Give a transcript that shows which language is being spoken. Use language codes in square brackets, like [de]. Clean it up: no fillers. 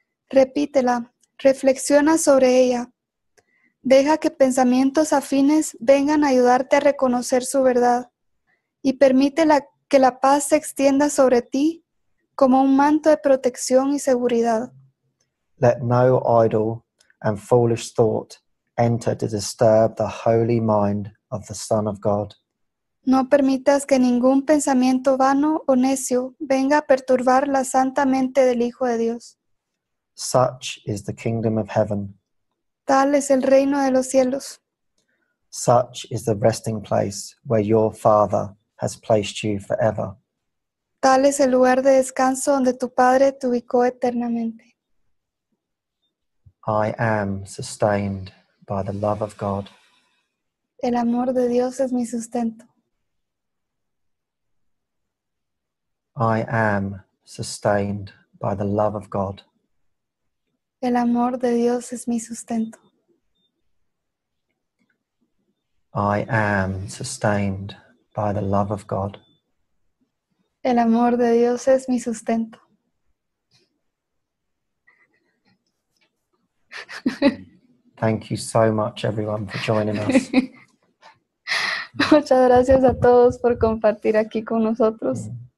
[es] Repítela, reflexiona sobre ella. Deja que pensamientos afines vengan a ayudarte a reconocer su verdad, y permítela que la paz se extienda sobre ti como un manto de protección y seguridad. [en] Let no idle and foolish thought enter to disturb the holy mind of the Son of God. [es] No permitas que ningún pensamiento vano o necio venga a perturbar la santa mente del Hijo de Dios. [en] Such is the kingdom of heaven. [es] Tal es el reino de los cielos. [en] Such is the resting place where your Father has placed you forever. [es] Tal es el lugar de descanso donde tu Padre te ubicó eternamente. [en] I am sustained by the love of God. [es] El amor de Dios es mi sustento. [en] I am sustained by the love of God. [es] El amor de Dios es mi sustento. [en] I am sustained by the love of God. [es] El amor de Dios es mi sustento. [en] Thank you so much, everyone, for joining us. [es] Muchas gracias a todos por compartir aquí con nosotros.